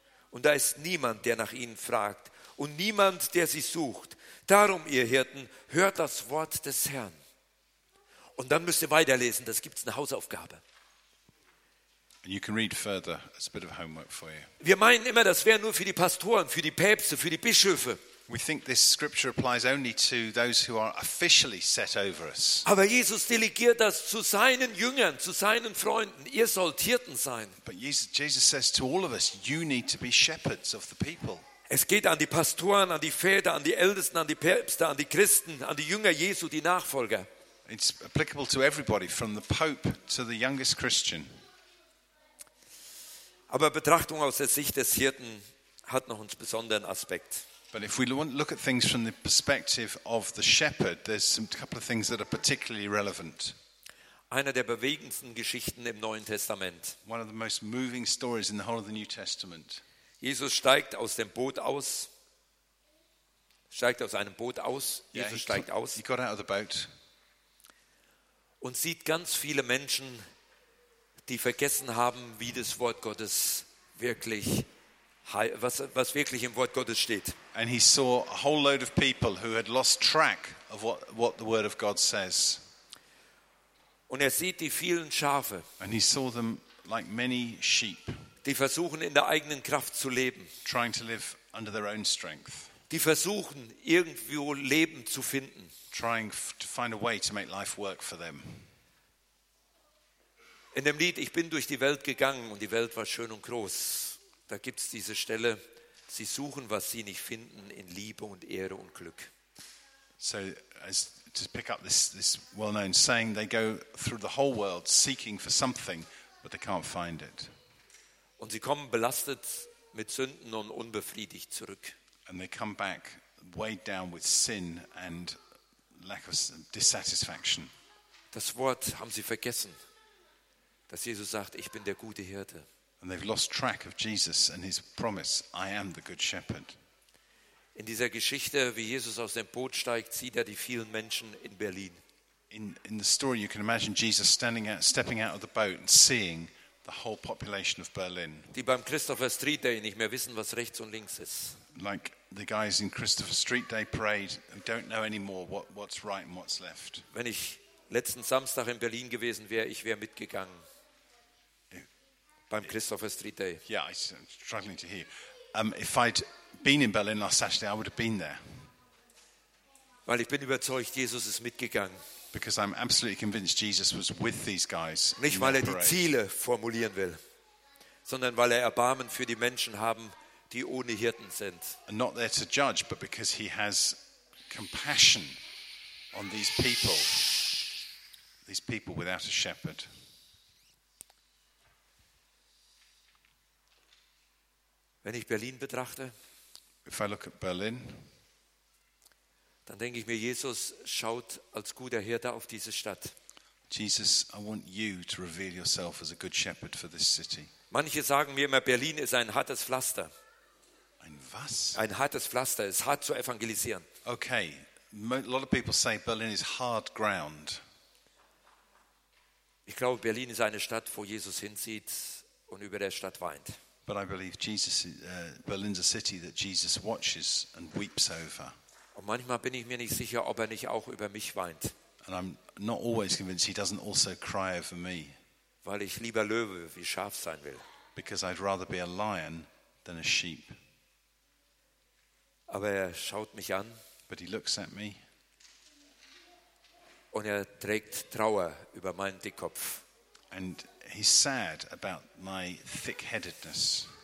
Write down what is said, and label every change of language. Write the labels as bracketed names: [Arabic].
[German] Und da ist niemand, der nach ihnen fragt und niemand, der sie sucht. Darum, ihr Hirten, hört das Wort des Herrn. Und dann müsst ihr weiterlesen, das gibt es eine Hausaufgabe. [English] And you can read further. It's a bit of homework for you. [German] Wir meinen immer, das wäre nur für die Pastoren, für die Päpste, für die Bischöfe. [English] We think this scripture applies only to those who are officially set over us. [German] Aber Jesus delegiert das zu seinen Jüngern, zu seinen Freunden. Ihr sollt Hirten sein. [English] But Jesus says to all of us, you need to be shepherds of the people. [German] Es geht an die Pastoren, an die Väter, an die Ältesten, an die Päpste, an die Christen, an die Jünger Jesu, die Nachfolger. [English] It's applicable to everybody, from the Pope to the youngest Christian. [German] Aber Betrachtung aus der Sicht des Hirten hat noch einen besonderen Aspekt. [English] But if we look at things from the perspective of the shepherd, there's a couple of things that are particularly relevant. [German] Eine der bewegendsten Geschichten im Neuen Testament. [English] One of the most moving stories in the whole of the New Testament. [German] Jesus steigt aus dem Boot aus. Steigt aus einem Boot aus. Jesus steigt aus. [English] He got out of the boat. [German] Und sieht ganz viele Menschen, die vergessen haben, wie das Wort Gottes wirklich was wirklich im Wort Gottes steht. [English] And he saw a whole load of people who had lost track of what the word of God says. [German] Und er sieht die vielen Schafe. [English] And he saw them like many sheep. [German] Die versuchen in der eigenen Kraft zu leben. [English] Trying to live under their own strength. [German] Die versuchen irgendwo Leben zu finden. [English] Trying to find a way to make life work for them. [German] In dem Lied, ich bin durch die Welt gegangen und die Welt war schön und groß. Da gibt es diese Stelle, sie suchen, was sie nicht finden, in Liebe und Ehre und Glück. [English] So, as to pick up this well-known saying, they go through the whole world seeking for something, but they can't find it. [German] Und sie kommen belastet mit Sünden und unbefriedigt zurück. [English] And they come back weighed down with sin and lack of dissatisfaction. [German] Das Wort haben sie vergessen, dass Jesus sagt, ich bin der gute Hirte. [English] And they've lost track of Jesus and his promise, I am the good shepherd. [German] In dieser Geschichte, wie Jesus aus dem Boot steigt, sieht er die vielen Menschen in Berlin. [English] In the story you can imagine Jesus stepping out of the boat and seeing the whole population of Berlin. [German] Die beim Christopher Street Day nicht mehr wissen, was rechts und links ist. [English] Like the guys in Christopher Street Day parade who don't know anymore what's right and what's left. [German] Wenn ich letzten Samstag in Berlin gewesen wäre, ich wäre mitgegangen. Beim Christopher Street Day. [English] Yeah, I'm struggling to hear. If I'd been in Berlin last Saturday, I would have been there. [German] Weil ich bin überzeugt, Jesus ist mitgegangen. [English] Because I'm absolutely convinced Jesus was with these guys. [German] Nicht weil er die Ziele formulieren will, sondern weil er Erbarmen für die Menschen haben, die ohne Hirten sind. [English] And not there to judge, but because he has compassion on these people without a shepherd. [German] Wenn ich Berlin betrachte, [English] if I look at Berlin, [German] dann denke ich mir, Jesus schaut als guter Hirte auf diese Stadt. [English] Jesus, I want you to reveal yourself as a good shepherd for this city. [German] Manche sagen mir immer, Berlin ist ein hartes Pflaster. Ein was? Ein hartes Pflaster, ist hart zu evangelisieren. [English] Okay, a lot of people say Berlin is hard ground. [German] Ich glaube, Berlin ist eine Stadt, wo Jesus hinsieht und über der Stadt weint. [English] But I believe Berlin's a city that Jesus watches and weeps over. [German] Und manchmal bin ich mir nicht sicher, ob er nicht auch über mich weint. [English] And I'm not always convinced he doesn't also cry over me. [German] Weil ich lieber Löwe wie Schaf sein will. [English] Because I'd rather be a lion than a sheep. [German] Aber er schaut mich an. [English] But he looks at me. [German] Und er trägt Trauer über meinen Dickkopf. [English] And he's sad about my thick-headedness.